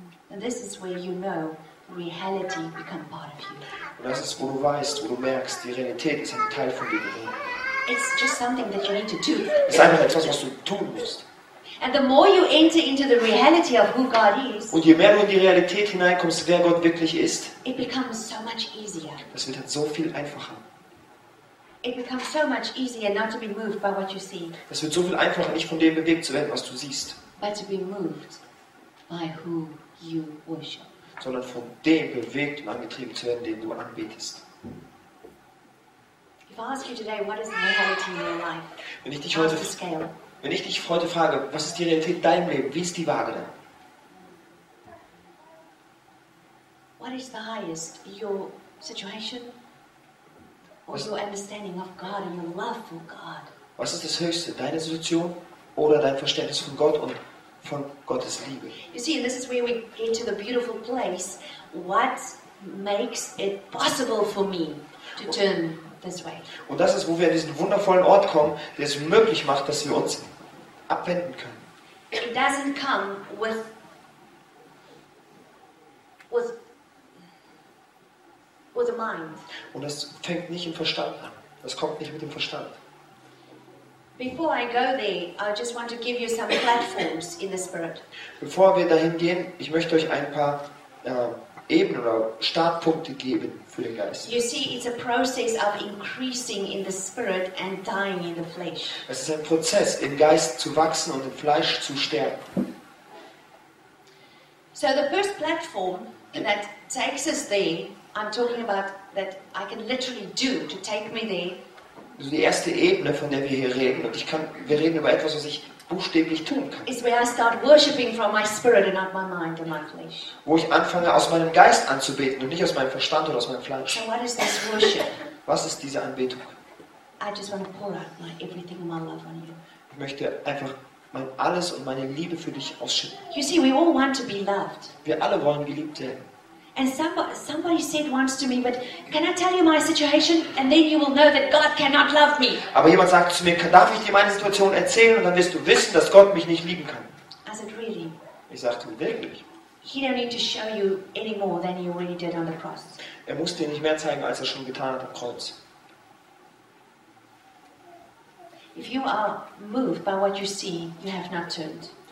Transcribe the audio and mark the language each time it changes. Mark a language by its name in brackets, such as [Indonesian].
[English] And this is where you know reality become part of you. [German] Und das ist, wo du weißt, wo du merkst, die Realität ist ein Teil von dir geworden. [English] It's just something that you need to do. [German] Es ist einfach etwas, was du tun musst. [English] And the more you enter into the reality of who God is. [German] Und je mehr du in die Realität hineinkommst, wer Gott wirklich ist. [English] It becomes so much easier. [German] Das wird halt so viel einfacher. [English] It becomes so much easier not to be moved by what you see. [German] Das wird so viel einfacher, nicht von dem bewegt zu werden, was du siehst. [English] But to be moved by who you worship. [German] Sondern von dem bewegt und angetrieben zu werden, den du anbetest. [English] If I ask you today, what is reality in your life? [German] Wenn ich dich heute frage, was ist die Realität in deinem Leben? Wie ist die Waage denn? [English] What is the highest, your situation or your understanding of God and your love for God? [German] Was ist das Höchste, deine Situation oder dein Verständnis von Gott und von Gottes Liebe? [English] You see, this is where we get to the beautiful place. What makes it possible for me to turn this way? [German] Und das ist, wo wir an diesen wundervollen Ort kommen, der es möglich macht, dass wir uns abwenden können. [English] It doesn't come with a mind. [German] Und das fängt nicht im Verstand an. Das kommt nicht mit dem Verstand. [English] Before I go there, I just want to give you some platforms in the spirit. [German] Bevor wir dahin gehen, ich möchte euch ein paar Ebenen oder Startpunkte geben für den Geist. [English] You see, it's a process of increasing in the spirit and dying in the flesh. [German] Es ist ein Prozess, im Geist zu wachsen und im Fleisch zu sterben. [English] So the first platform that takes us there, I'm talking about that I can literally do to take me there. [German] Also die erste Ebene, von der wir hier reden, und wir reden über etwas, was ich buchstäblich tun kann. [English] Is where I start worshiping from my spirit and not my mind and my flesh. [German] Wo ich anfange, aus meinem Geist anzubeten und nicht aus meinem Verstand oder aus meinem Fleisch. [English] So what is this worship? [German] Was ist diese Anbetung? [English] I just want to pour out my everything and my love on you. [German] Ich möchte einfach mein alles und meine Liebe für dich ausschütten. [English] You see, we all want to be loved. [German] Wir alle wollen geliebt werden. [English] And somebody said once to me, but can I tell you my situation? And then you will know that God cannot love me. [German] Aber jemand sagt zu mir, darf ich dir meine Situation erzählen? Und dann wirst du wissen, dass Gott mich nicht lieben kann. [English] I said, really? [German] Ich sagte, wirklich? [English] He don't need to show you any more than he already did on the cross. [German] Er muss dir nicht mehr zeigen, als er schon getan hat am Kreuz. [English] If you are moved by what you see, you have not turned.